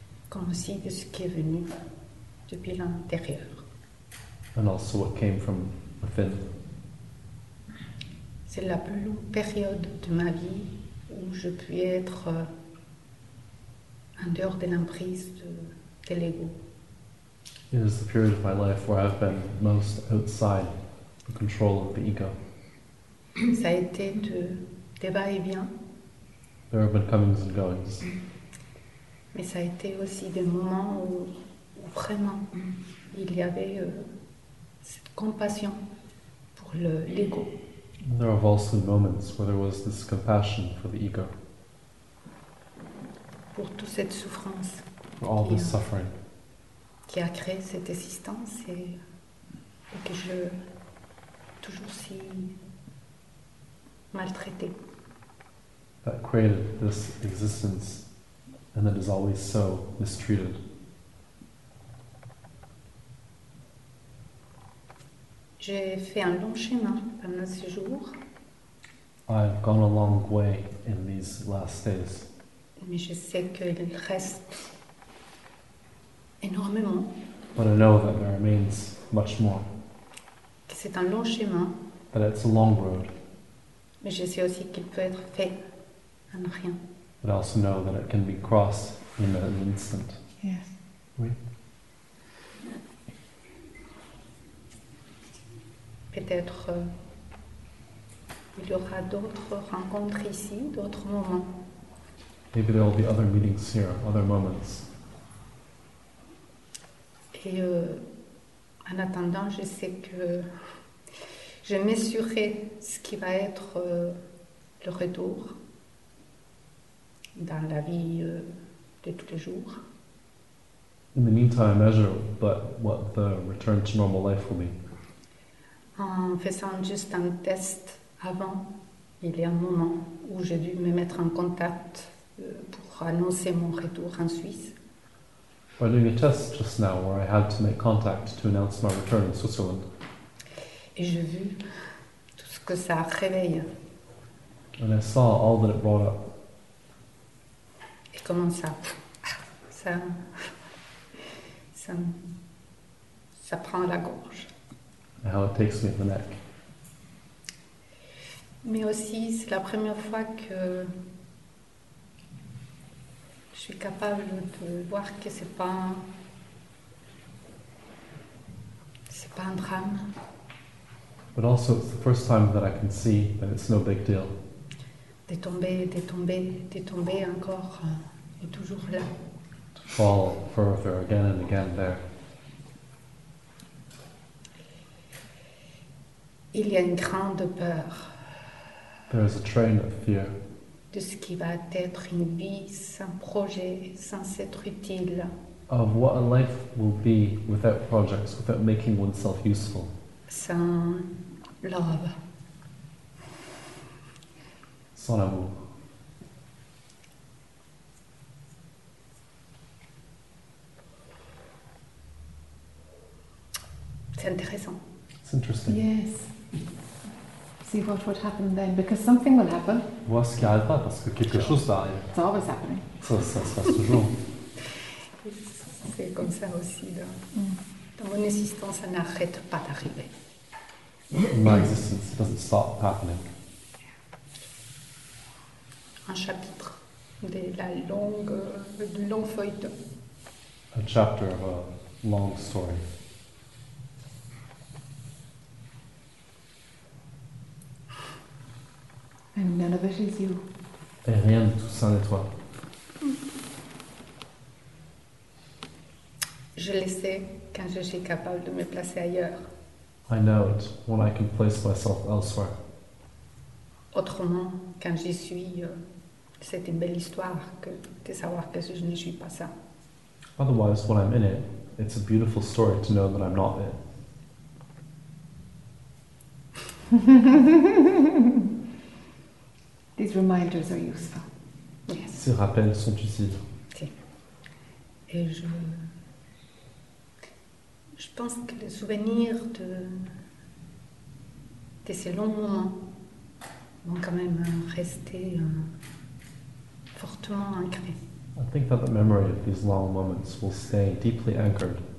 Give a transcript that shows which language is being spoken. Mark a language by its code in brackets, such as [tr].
[fr] Comme aussi de ce qui est venu depuis l'intérieur. [en] And also what came from within. [fr] C'est la plus longue période de ma vie où je puis être en dehors de l'emprise de l'ego. [en] It is the period of my life where I've been most outside the control of the ego. [fr] Ça a été de bas et bien. [en] There have been comings and goings. [fr] Mais ça a été aussi des moments où vraiment il y avait cette compassion pour l'ego. [en] There have also been moments where there was this compassion for the ego. [fr] Pour toute cette souffrance. [en] For all this suffering. [fr] Qui a créé cette existence et que je toujours si maltraité. [en] That created this existence and that is always so mistreated. [fr] J'ai fait un long chemin pendant ces jours. [en] I've gone a long way in these last days. [fr] Mais je sais qu'il reste énormément. [en] But I know that there remains much more. [fr] Que c'est un long chemin. [en] But it's a long road. [fr] Mais je sais aussi qu'il peut être fait en rien. [en] But I also know that it can be crossed in an instant. Yes. [fr] Oui. Peut-être il y aura d'autres rencontres ici, d'autres moments. [en] Maybe there will be other meetings here, other moments. [fr] Et en attendant, je sais que je mesurerai ce qui va être le retour dans la vie de tous les jours. [en] In the meantime, I measure what the return to normal life will be. [fr] En faisant juste un test avant, il y a un moment où j'ai dû me mettre en contact pour annoncer mon retour en Suisse. [en] By doing a test just now where I had to make contact to announce my return in Switzerland. [fr] Et j'ai vu tout ce que ça a réveillé. [en] And I saw all that it brought up. [fr] Et comment ça prend la gorge. [en] How it takes me in the neck. [fr] Mais aussi, c'est la première fois que je suis capable de voir que c'est pas un drame. [en] But also, it's the first time that I can see that it's no big deal. [fr] De tomber encore et toujours là. [en] To fall further again and again there. [fr] Il y a une grande peur. [en] There is a train of fear. [fr] De ce qui va être une vie sans projet, sans être utile. [en] Of what a life will be without projects, without making oneself useful. [fr] Sans [en] love. [fr] Sans amour. C'est intéressant. [en] It's interesting. Yes. See what would happen then, because something will happen. [fr] Vois ce qui arrivera, parce que quelque chose va arriver. [en] It's always happening. [fr] Ça se passe toujours. C'est comme ça aussi. Dans mon existence, ça n'arrête pas d'arriver. [en] In my existence, it doesn't stop happening. [fr] Un chapitre de la longue, de long feuilleton. [en] A chapter of a long story. And none of it is you. [fr] Et rien de tout ça n'est toi. Je le sais quand je suis capable de me placer ailleurs. [en] I know it when I can place myself elsewhere. [fr] Autrement, quand j'y suis, c'est une belle histoire que de savoir que je ne suis pas ça. [en] Otherwise, when I'm in it, it's a beautiful story to know that I'm not it. These reminders are useful. Yes. [fr] Ces rappels sont utiles. Si. Et je pense que le souvenir de ces longs moments vont quand même rester fortement ancrés. [en] I think that the memory of these long moments will stay deeply anchored.